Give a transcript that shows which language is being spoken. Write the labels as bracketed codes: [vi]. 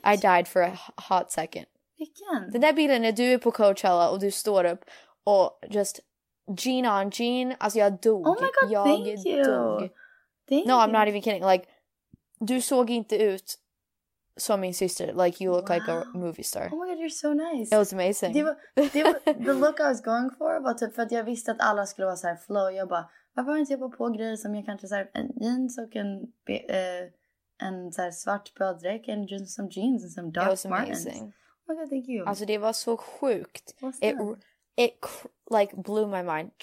[en] I died for a hot second. [sv] Vilken? Den där bilden när du är på Coachella och du står upp och just [en] jean on jean. [sv] Alltså jag dog. [en] Oh my god, thank you. I'm not even kidding. [sv] Like, du såg inte ut som min syster. [en] Like, you look like a movie star. Oh my god, you're so nice. It was amazing. [sv] Det var [en] the look I was going for. [sv] Var typ för att jag visste att alla skulle vara så här flow. Jag bara, varför har inte jag på grejer som jag kanske så här, en jeans och en så här svart bröddräck. En jeans, [en] some jeans and some dark martens. It was amazing. Oh my god, thank you. [sv] Alltså, det var så sjukt. [en] It blew my mind.